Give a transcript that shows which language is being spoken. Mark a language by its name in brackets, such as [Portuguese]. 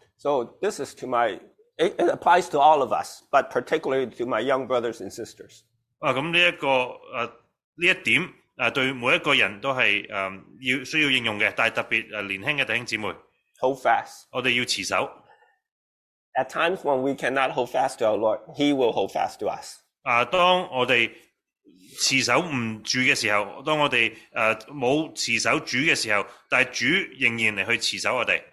[English] So this is to my it applies to all of us, but particularly to my young brothers and sisters. [Cantonese] 咁呢一个呢一点对每一个人都系要需要应用嘅，但系特别年轻嘅弟兄姊妹。 [English] Hold fast. [Cantonese] 我哋要持守。 [English] At times when we cannot hold fast to our Lord, He will hold fast to us. [Cantonese] 当我哋持守唔住嘅时候，当我哋冇持守主嘅时候，但系主仍然嚟去持守我哋。